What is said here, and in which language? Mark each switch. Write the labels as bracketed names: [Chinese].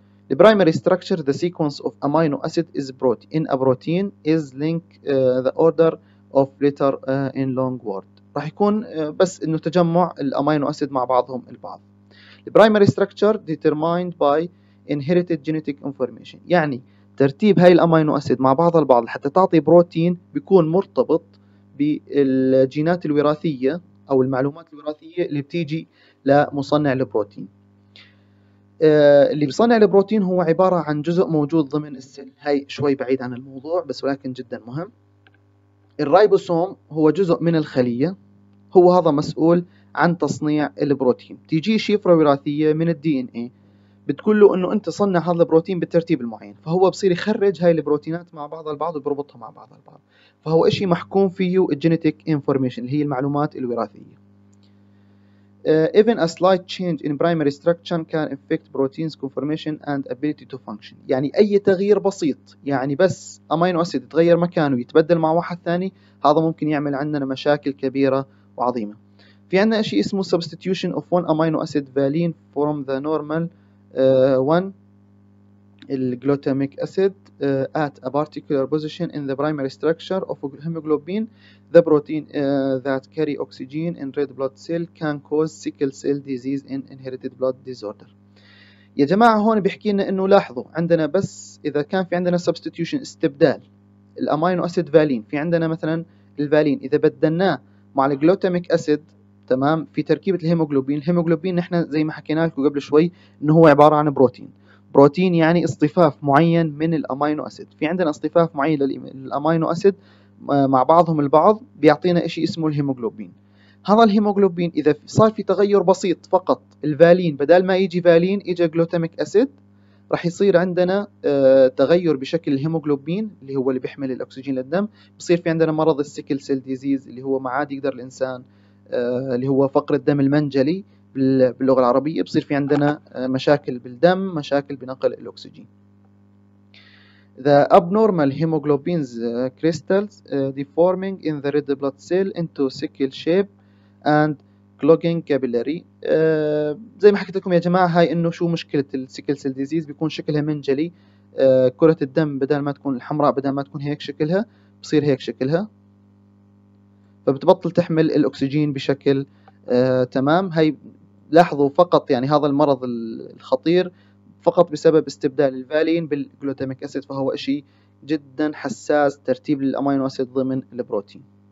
[English] The primary structure, the sequence of amino acid is protein. In a protein is link the order of letter in long word. [Arabic] راح يكون بس انه تجمع الامينو اسيد مع بعضهم البعض. [English] The primary structure determined by inherited genetic information. [Arabic] يعني ترتيب هاي الامينو اسيد مع بعض البعض حتى تعطي بروتين بيكون مرتبط بالجينات الوراثيه او المعلومات الوراثيه اللي بتيجي لمصنع البروتين. اللي بصنع البروتين هو عباره عن جزء موجود ضمن السل. هاي شوي بعيد عن الموضوع بس ولكن جدا مهم. الرايبوسوم هو جزء من الخليه، هو هذا مسؤول عن تصنيع البروتين. تيجي شفره وراثيه من الدي ان اي بتقول له انه انت صنع هذا البروتين بالترتيب المعين، فهو بصير يخرج هاي البروتينات مع بعضها البعض وبربطها مع بعضها البعض، فهو اشي محكوم فيه الجينيتيك انفورميشن اللي هي المعلومات الوراثيه. [English] Even a slight change in primary structure can affect protein's conformation and ability to function. [Arabic] يعني اي تغيير بسيط، يعني بس امينو اسيد يتغير مكانه ويتبدل مع واحد ثاني، هذا ممكن يعمل عندنا مشاكل كبيره وعظيمه. في عندنا اشي اسمه [English] substitution of one amino acid valine from the normal 1 الجلوتاميك acid at a particular position in the primary structure of hemoglobin the protein that carry oxygen in red blood cell can cause sickle cell disease in inherited blood disorder. [Arabic] يا جماعة هون بيحكي لنا انه لاحظوا عندنا بس اذا كان في عندنا substitution استبدال الامينو اسيد فالين، في عندنا مثلا الفالين. إذا بدلناه مع الجلوتاميك أسيد تمام في تركيبة الهيموغلوبين، الهيموغلوبين نحن زي ما حكينا لكم قبل شوي إنه هو عبارة عن بروتين، بروتين يعني اصطفاف معين من الأمينو أسيد. في عندنا اصطفاف معين للأمينو أسيد مع بعضهم البعض بيعطينا إشي اسمه الهيموغلوبين. هذا الهيموغلوبين إذا صار في تغير بسيط فقط، الفالين بدل ما يجي فالين يجي جلوتاميك أسيد، رح يصير عندنا تغير بشكل الهيموغلوبين اللي هو اللي بيحمل الأكسجين للدم، بصير في عندنا مرض السيكل سيل ديزيز اللي هو ما عاد يقدر الإنسان اللي هو فقر الدم المنجلي باللغة العربية، بصير في عندنا مشاكل بالدم، مشاكل بنقل الأكسجين. [English] The abnormal hemoglobin crystals deforming in the red blood cell into sickle shape and clogging capillary. [Arabic] زي ما حكيت لكم يا جماعة هاي إنه شو مشكلة السيكل سيل ديزيز، بيكون شكلها منجلي، كرة الدم بدل ما تكون الحمراء بدل ما تكون هيك شكلها بصير هيك شكلها، فبتبطل تحمل الأكسجين بشكل تمام. هاي لاحظوا فقط يعني هذا المرض الخطير فقط بسبب استبدال الفالين بالجلوتاميك أسيد، فهو إشي جدا حساس ترتيب الأمينو أسيد ضمن البروتين.